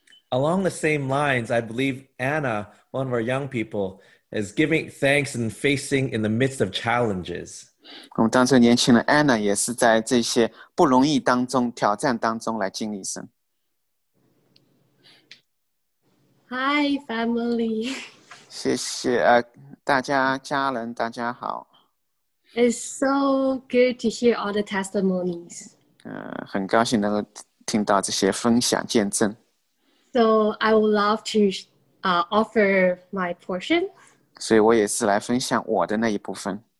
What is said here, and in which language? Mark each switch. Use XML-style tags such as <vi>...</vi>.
<en>Along the same lines, I believe Anna, one of our young people, is giving thanks and facing in the midst of challenges.</en> <zh>我们当中年轻的 Anna 也是在这些不容易当中、挑战当中来经历神。</zh> <en>Hi, family.</en> <zh>谢谢大家家人，大家好。</zh> <en>It's so good to hear all the testimonies.</en> <zh>很高兴能够听到这些分享见证。</zh> <en>So I would love to offer my portion.</en> <zh>所以我也是来分享我的那一部分。</zh>